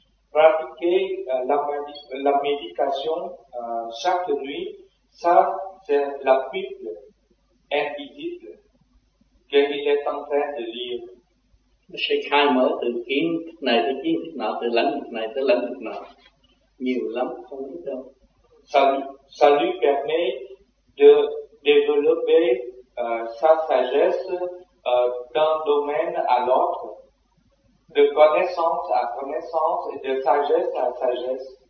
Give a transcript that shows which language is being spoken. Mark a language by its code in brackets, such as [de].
[fr] Pratiquer la méditation chaque nuit, ça c'est la Bible invisible qu'il est en train de lire. [vi] Sẽ khai mở từ kiến này tới kiến nào, từ lãnh vực này tới lãnh vực nào, nhiều lắm không biết đâu. [fr] Ça lui permet de développer sa sagesse d'un domaine à l'autre, de connaissance à connaissance et de sagesse à sagesse.